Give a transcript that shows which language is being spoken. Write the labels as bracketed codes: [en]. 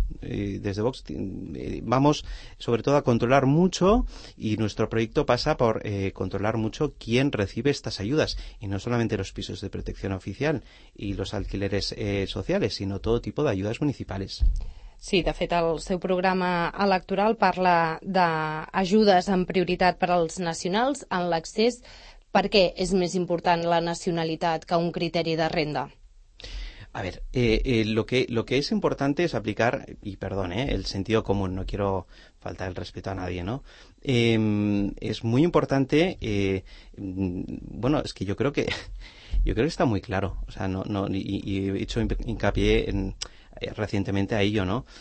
[es] Desde Vox vamos sobre todo a controlar mucho, y nuestro proyecto pasa por controlar mucho quién recibe estas ayudas, y no solamente los pisos de protección oficial y los alquileres sociales, sino todo tipo de ayudas municipales. [ca] Sí, de fet, el seu programa electoral parla d'ajudes en prioritat per als nacionals en l'accés. Per què és més important la nacionalitat que un criteri de renda? [es] A ver, lo que es importante es aplicar, y perdón, el sentido común, no quiero faltar el respeto a nadie, ¿no? Es muy importante, es que yo creo que está muy claro, o sea, no y he hecho hincapié recientemente a ello, ¿no?